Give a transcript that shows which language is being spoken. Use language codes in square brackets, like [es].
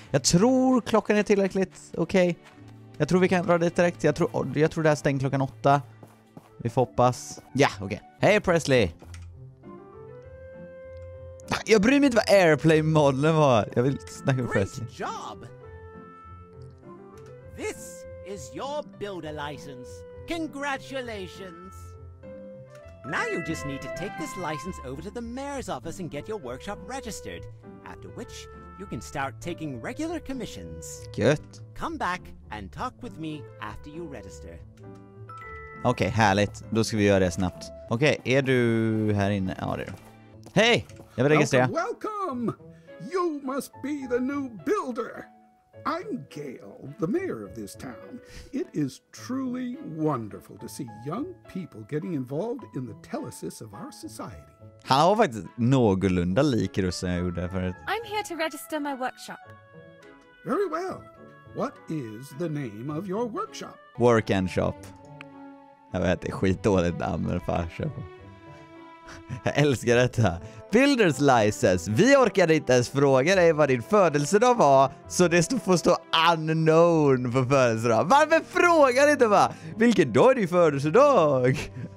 [sv] Jag tror klockan är tillräckligt okej. Okay. Jag tror vi kan dra det direkt. Jag tror det här stängt klockan 8. Vi får hoppas. Ja, yeah, okej. Okay. Hej Presley! Jag bryr mig inte vad Airplay-modellen var. Jag vill snacka med Presley. [en] Great job! This is your builder license. Congratulations! Now you just need to take this license over to the mayor's office and get your workshop registered. After which, you can start taking regular commissions. Good. Come back and talk with me after you register. [sv] Okej, okay, härligt. Då ska vi göra det snabbt. Okej, okay, är du här inne? Ja, det är du. Hej! Jag vill registrera. [en] Welcome! You must be the new builder. I'm Gail, the mayor of this town. It is truly wonderful to see young people getting involved in the telesis of our society. [sv] Han har faktiskt någorlunda lik russen jag gjorde för att... [en] I'm here to register my workshop. Very well. What is the name of your workshop? Work and shop. [sv] Jag vet, det är skitdåligt namn för att köpa. Jag älskar detta. Builder's license. Vi orkade inte ens fråga dig vad din födelsedag var, så det får stå unknown på födelsedag. Varför frågar du inte va? Vilken dag är din födelsedag?